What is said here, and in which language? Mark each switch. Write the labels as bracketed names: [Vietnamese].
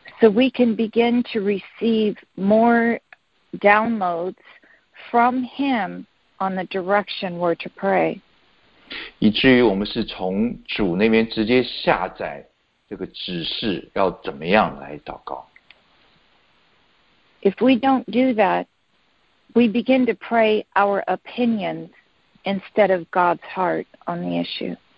[English] we can begin to receive more downloads from Him on the direction we're to pray. [Chinese] 以至于我们是从主那边直接下载这个指示，要怎么样来祷告。 [English] If we don't do that, we begin to pray our opinions instead of God's heart on the issue.